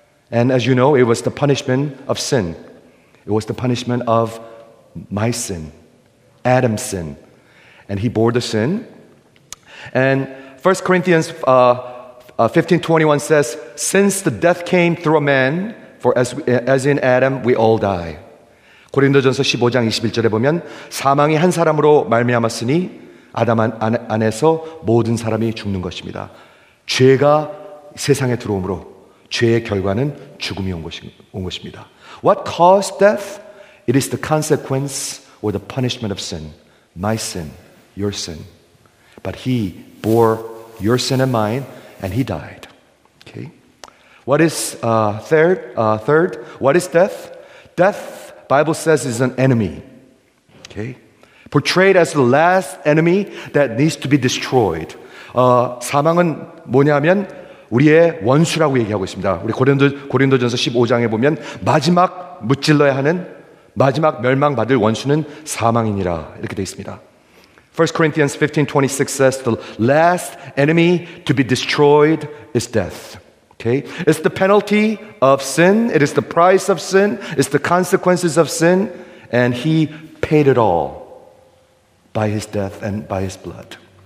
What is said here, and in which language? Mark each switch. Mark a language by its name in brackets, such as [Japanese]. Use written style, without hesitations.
[English] And as you know, it was the punishment of sin. It was the punishment of my sin, Adam's sin. And he bore the sin. And 1 Corinthians 15:21 says, since the death came through a man, for as in Adam, we all die. [Korean] 고린도전서 15장 21절에 보면 사망이 한 사람으로 말미암았으니 아담 안에서 모든 사람이 죽는 것입니다. 죄가 세상에 들어오므로 죄의 결과는 죽음이 온 것입니다. [English] What caused death? It is the consequence or the punishment of sin. My sin, your sin. But he bore your sin and mine and he died. Okay. What is third? What is death? Death, Bible says, is an enemy. Okay. Portrayed as the last enemy that needs to be destroyed. [Korean] 사망은 뭐냐면 우리의 원수라고 얘기하고 있습니다. 우리 고린도전서 15장에 보면 마지막 무찔러야 하는 마지막 멸망받을 원수는 사망이니라 이렇게 되어 있습니다. [English] 1 Corinthians 15:26 says the last enemy to be destroyed is death. Okay? It's the penalty of sin. It is the price of sin. It's the consequences of sin. And he paid it all by his death and by his blood.